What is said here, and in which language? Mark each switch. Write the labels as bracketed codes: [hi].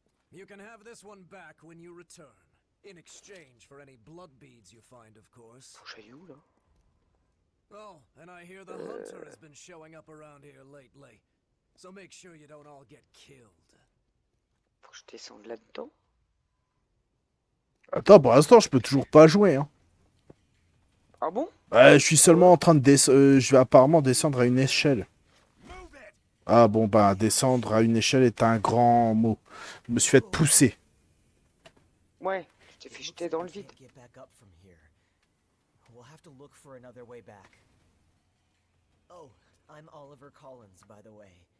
[en] You can have this one back when you return. In exchange for any blood beads you find, of course. [fr] Où, là? [en] Oh, and I hear the hunter has been showing up around here lately. So make sure you don't all get killed. [fr] Faut que je descende là-dedans? Attends, pour l'instant, je peux toujours pas jouer, hein. Ah bon? Je suis seulement en train de descendre. Je vais apparemment descendre à une échelle. Ah bon, bah, descendre à une échelle est un grand mot. Je me suis fait pousser. Ouais. J'ai fait jeter dans le vide. [en] Get back up from here. We'll have to look for another way back. Oh, I'm Oliver Collins, by the way.